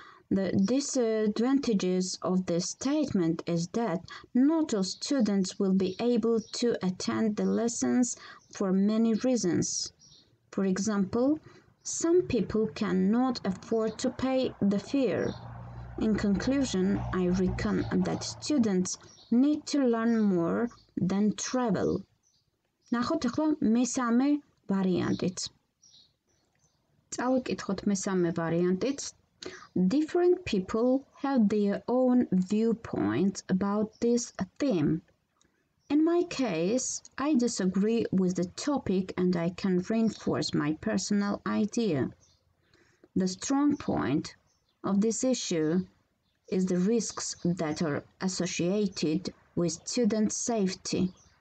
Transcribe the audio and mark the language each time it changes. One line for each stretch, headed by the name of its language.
English: The disadvantages of this statement is that not all students will be able to attend the lessons for many reasons. For example, some people cannot afford to pay the fee. In conclusion, I reckon that students need to learn more than travel.
Georgian: ნახოთ ახლა მესამე ვარიანტიც. წავიკითხოთ მესამე ვარიანტიც.
English: Different people have their own viewpoints about this theme. In my case, I disagree with the topic and I can reinforce my personal idea. The strong point of this issue is the risks that are associated with student safety.